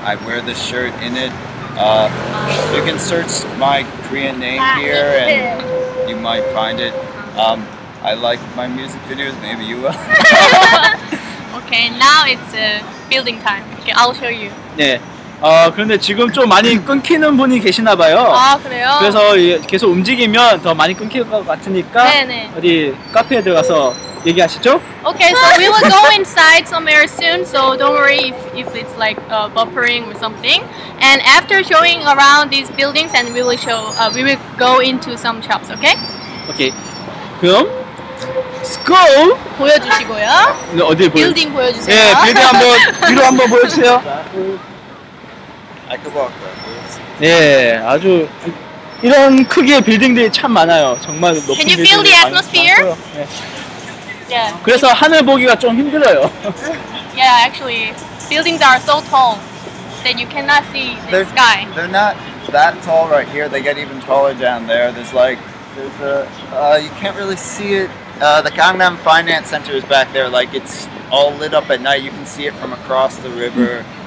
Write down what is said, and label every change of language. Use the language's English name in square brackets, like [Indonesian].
[English] I wear this shirt in it. You can search my Korean name here and you might find it. I like my music videos, maybe you will. Okay, now it's building time. Okay, I'll show you. Yeah. [Korean] 그런데 지금 좀 많이 끊기는 분이 계시나 봐요. 아, 그래요? 그래서 계속 움직이면 더 많이 끊길 것 같으니까 네네. 어디 카페에 들어가서 얘기하시죠? [English] Okay, so we will go inside somewhere soon, so don't worry if it's like buffering or something. And after showing around these buildings, and we will show, we will go into some shops, okay? [Korean] Okay, 그럼 스쿨 보여주시고요. 네, 어디 보여? 빌딩 보여주세요. 네, 빌딩 한번 뒤로 한번 보여주세요. 아, 그거 할까요? 네, 아주 이런 크기의 빌딩들이 참 많아요. 정말 높은 빌딩이 많아요. [English] Can you feel the atmosphere? [Korean] 네. 그래서 하늘 보기가 좀 힘들어요. [English] Yeah, actually, buildings are so tall that you cannot see the they're, sky. They're not that tall right here. They get even taller down there. There's like, there's a, you can't really see it. The Gangnam Finance Center is back there. Like, it's all lit up at night. You can see it from across the river.